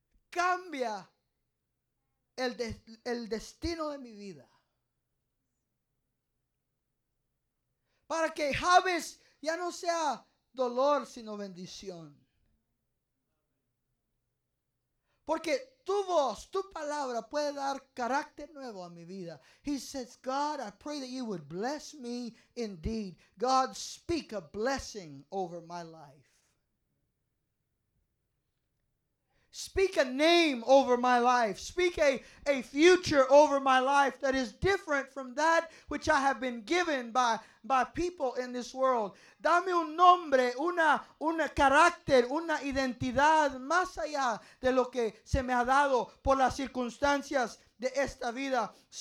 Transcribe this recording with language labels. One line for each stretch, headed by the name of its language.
Spanish: Cambia el destino de mi vida. Para que Jabez ya no sea dolor, sino bendición. Porque tu voz, tu palabra puede dar carácter nuevo a mi vida.
English: He says, God, I pray that you would bless me indeed. God, speak a blessing over my life. Speak a name over my life. Speak a future over my life that is different from that which I have been given by people in this world.
Spanish: Dame un nombre, una carácter, una identidad más allá de lo que se me ha dado por las circunstancias de esta vida.